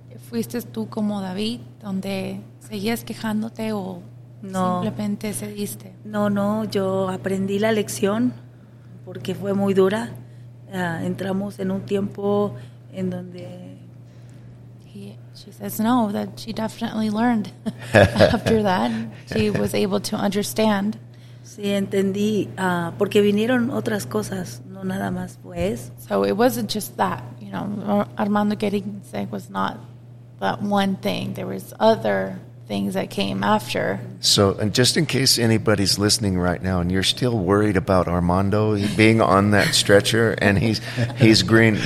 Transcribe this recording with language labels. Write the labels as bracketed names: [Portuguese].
[Spanish] ¿Fuiste tú como David, donde seguías quejándote o no, simplemente cediste? No, yo aprendí la lección porque fue muy dura. Entramos en un tiempo en donde... [English] She says no, that she definitely learned after that. She was able to understand. [Spanish] Sí, entendí, porque vinieron otras cosas, no nada más pues. [English] So it wasn't just that, you know, Armando getting sick was not... that one thing. There was other things that came after. So, and just in case anybody's listening right now and you're still worried about Armando being on that stretcher and he's green.